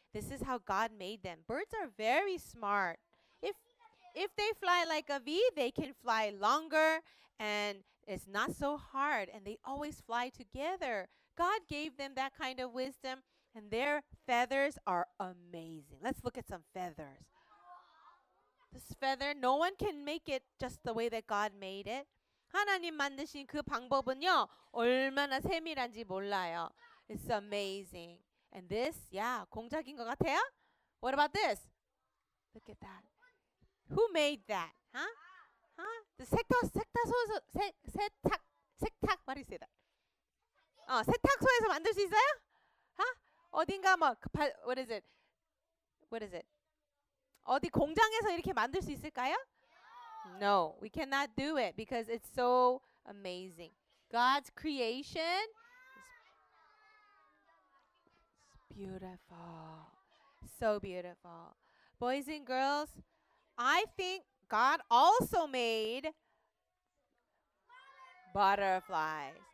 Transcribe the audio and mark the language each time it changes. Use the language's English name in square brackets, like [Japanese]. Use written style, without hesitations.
[English] This is how God made them. Birds are very smart. If they fly like a V, they can fly longer, and it's not so hard, and they always fly together. God gave them that kind of wisdom, and their feathers are amazing. Let's look at some feathers. This feather, no one can make it just the way that God made it. [Korean] 하나님 만드신 그 방법은요, 얼마나 세밀한지 몰라요. [English] It's amazing. And this, yeah, [Korean] 공작인 것 같아요? [English] What about this? Look at that. Who made that? Huh? Huh? The 세탁소에서 what do you say that? [Korean] 세탁소에서 만들 수 있어요? [English] Huh? [Korean] 어딘가 뭐, [English] what is it? What is it? [Korean] 어디 공장에서 이렇게 만들 수 있을까요? [English] No, we cannot do it because it's so amazing. God's creation is beautiful. So beautiful. Boys and girls, I think God also made butterflies.